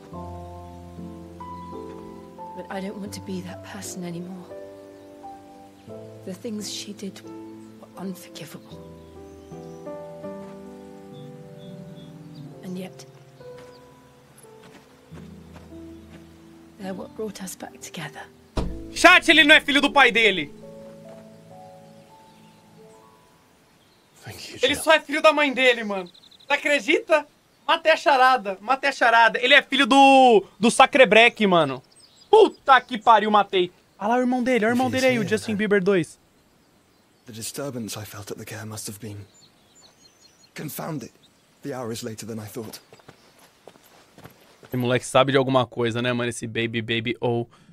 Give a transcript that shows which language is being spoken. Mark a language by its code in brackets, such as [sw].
[en] But I don't want to be that person anymore. The things she did were unforgivable. And yet, they're what brought us back together. [pt] Chat, ele não é filho do pai dele. [en] Thank you, [pt] ele só é filho da mãe dele, mano. Você acredita? Matei a charada, matei a charada. Ele é filho do Sacrebreque, mano. Puta que pariu, matei. Olha lá o irmão dele, olha o irmão dele aí, o Justin Bieber 2. [en] The disturbance I felt at the care must have been confounded. The hour is later than I thought. [pt] Esse moleque sabe de alguma coisa, né, mano? Esse baby ou...